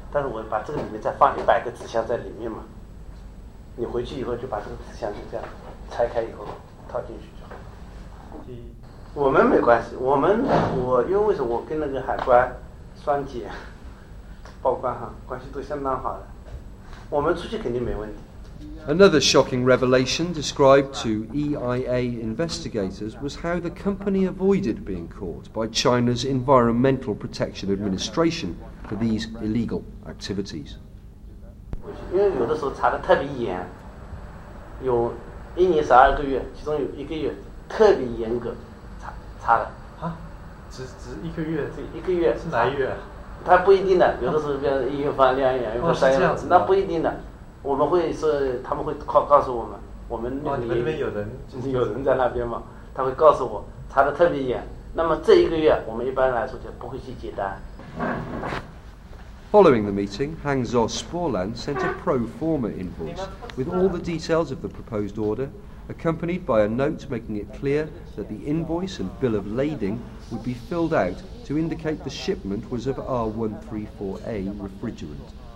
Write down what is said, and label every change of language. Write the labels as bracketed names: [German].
[Chinese] 但是我把这个里面再放100个纸箱在里面嘛，你回去以后就把这个纸箱就这样拆开以后套进去就好。我们没关系，我们我因为什么我跟那个海关双姐报关哈，关系都相当好的，我们出去肯定没问题。 [English] Another shocking revelation described to EIA investigators was how the company avoided being caught by China's Environmental Protection Administration for these illegal activities. [Chinese] 因为有的时候查得特别严，有一年12个月，其中有一个月特别严格查的。只一个月？对，一个月。是哪一月？它不一定的，有的时候变成一月份、两月份、三月份，那不一定的。我们会是他们会告诉我们，我们那边有人，就是有人在那边嘛，他会告诉我查得特别严。那么这一个月我们一般来说就不会去接单。 [English] Following the meeting, Hang Zhou Sporland sent a pro forma invoice with all the details of the proposed order, accompanied by a note making it clear that the invoice and bill of lading would be filled out to indicate the shipment was of R134A refrigerant.